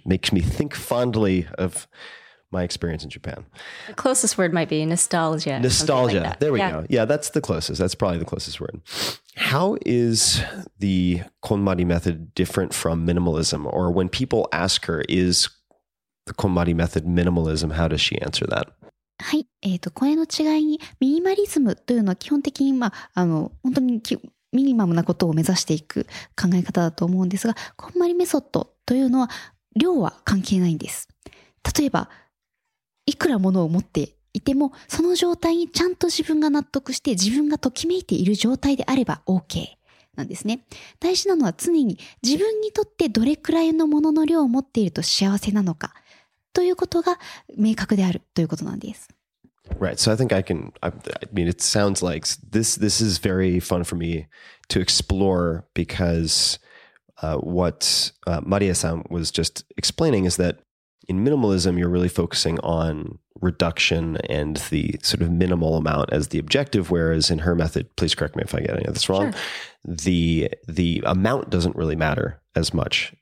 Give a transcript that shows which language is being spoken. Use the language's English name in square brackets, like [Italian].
[English] Makes me think fondly of my experience in Japan. The closest word might be nostalgia. Nostalgia. Like there we go. Yeah, that's the closest. That's probably the closest word. How is the KonMari method different from minimalism? Or when people ask her, is the KonMari method minimalism? How does she answer that? [Japanese] はい、これの違いに、ミニマリズムというのは基本的に、まあ、本当にミニマムなことを目指していく考え方だと思うんですが、KonMari メソッドというのは量は関係ないんです。例えば、いくらものを持っていてもその状態にちゃんと自分が納得して自分がときめいている状態であれば OK なんですね。大事なのは常に自分にとってどれくらいのものの量を持っていると幸せなのかということが明確であるということなんです。 [English] Right, so I think I mean, it sounds like this is very fun for me to explore because Maria-san was just explaining is that in minimalism, you're really focusing onReduction and the sort of minimal amount as the objective, whereas in her method, please correct me if I get any of this wrong, the amount doesn't really matter as much.